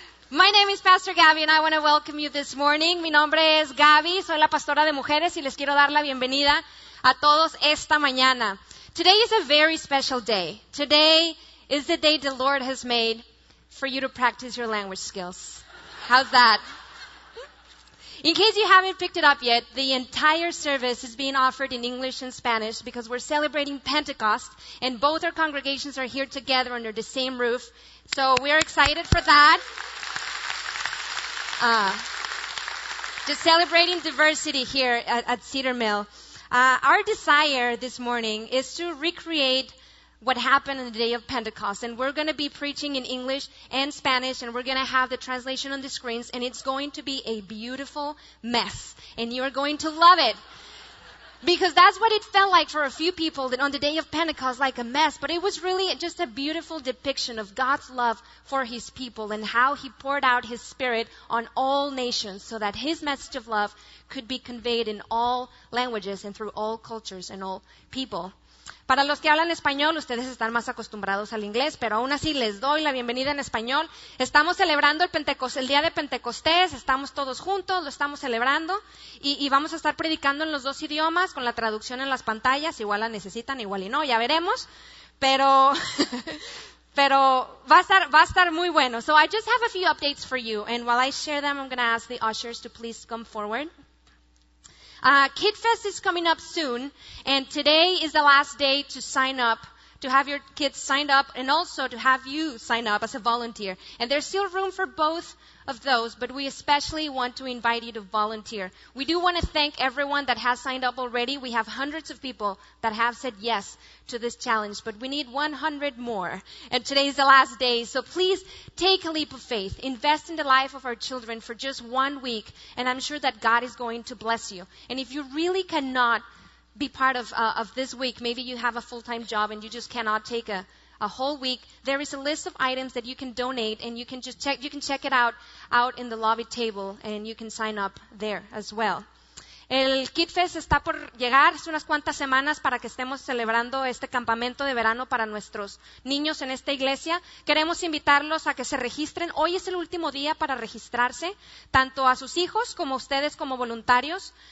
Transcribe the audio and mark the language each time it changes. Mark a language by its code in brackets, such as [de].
[en] My name is Pastor Gaby and I want to welcome you this morning. [es] Mi nombre es Gaby, soy la pastora de mujeres y les quiero dar la bienvenida a todos esta mañana. [en] Today is a very special day. Today is the day the Lord has made for you to practice your language skills. How's that? In case you haven't picked it up yet, the entire service is being offered in English and Spanish because we're celebrating Pentecost and both our congregations are here together under the same roof. So we're excited for that. Just celebrating diversity here at Cedar Mill. Our desire this morning is to recreate what happened on the day of Pentecost. And we're going to be preaching in English and Spanish, and we're going to have the translation on the screens, and it's going to be a beautiful mess. And you're going to love it. Because that's what it felt like for a few people that on the day of Pentecost, like a mess. But it was really just a beautiful depiction of God's love for His people and how He poured out His Spirit on all nations so that His message of love could be conveyed in all languages and through all cultures and all people. [es] Para los que hablan español, ustedes están más acostumbrados al inglés, pero aún así les doy la bienvenida en español. Estamos celebrando el día de Pentecostés, estamos todos juntos, lo estamos celebrando y vamos a estar predicando en los dos idiomas con la traducción en las pantallas, igual la necesitan, igual y no, ya veremos, pero va a estar muy bueno. [en] So I just have a few updates for you, and while I share them, I'm going to ask the ushers to please come forward. KidFest is coming up soon, and today is the last day to sign up, to have your kids signed up, and also to have you sign up as a volunteer. And there's still room for both of those, but we especially want to invite you to volunteer. We do want to thank everyone that has signed up already. We have hundreds of people that have said yes to this challenge, but we need 100 more, and today is the last day. So please take a leap of faith. Invest in the life of our children for just 1 week, and I'm sure that God is going to bless you. And if you really cannot be part of this week, maybe you have a full-time job and you just cannot take a whole week, there is a list of items that you can donate, and you can check it out in the lobby table, and you can sign up there as well. [es] El KidFest está por llegar, es unas cuantas semanas para que estemos celebrando este campamento de verano para nuestros niños en esta iglesia. Queremos invitarlos a que se registren. Hoy es el último día para registrarse, tanto a sus hijos como a ustedes como voluntarios.